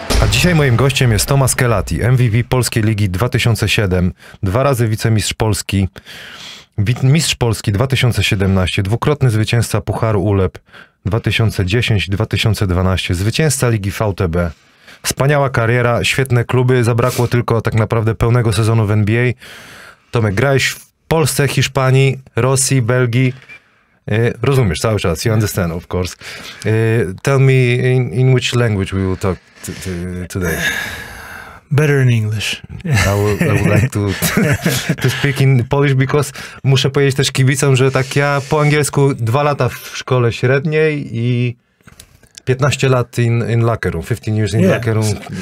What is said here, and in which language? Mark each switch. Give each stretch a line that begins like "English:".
Polish: Dzisiaj moim gościem jest Tomasz Kelati, MVP Polskiej Ligi 2007, dwa razy wicemistrz Polski, mistrz Polski 2017, dwukrotny zwycięzca Pucharu ULEP 2010-2012, zwycięzca Ligi VTB. Wspaniała kariera, świetne kluby, zabrakło tylko tak naprawdę pełnego sezonu w NBA. Tomek, grałeś w Polsce, Hiszpanii, Rosji, Belgii. Rozumiesz cały czas,
English: you understand, of course. Tell me in which language we will talk today. Better in English. I would like to speak in Polish, because
Polish: muszę powiedzieć też kibicom, że tak ja po angielsku 2 lata w szkole średniej i 15 lat
English: in locker room, 15 years in locker room.